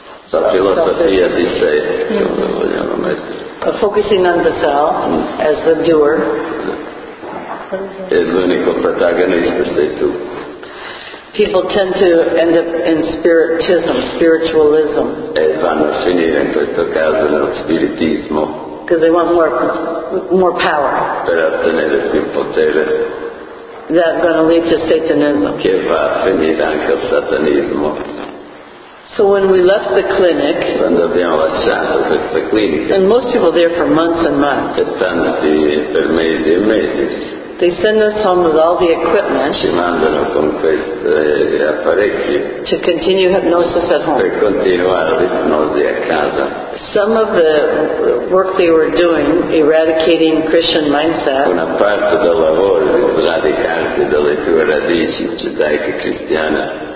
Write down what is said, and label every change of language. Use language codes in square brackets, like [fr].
[it] La filosofia di sé, come vogliamo mettere. [en] Focusing on the self as the doer. [it] E l'unico protagonista sei tu. [en] People tend to end up in spiritualism. [it] E vanno a finire in questo caso nello spiritismo. [en] Because they want more power. [it] Per ottenere più potere. [en] That's going to lead to Satanism. [it] Che va a finire anche il satanismo. [en] So when we left the clinic, [it] quando abbiamo lasciato questa clinica, [en] and most people there for months and months. [it] E tanti per mesi e mesi. [en] They send us home with all the equipment. [it] Ci mandano con questi apparecchi. [en] To continue hypnosis at home. [it] Per continuare l'ipnosi a casa. [en] Some of the work they were doing, eradicating Christian mindset. [it] Una parte del lavoro di sradicarti dalle tue radici giudaiche cristiane.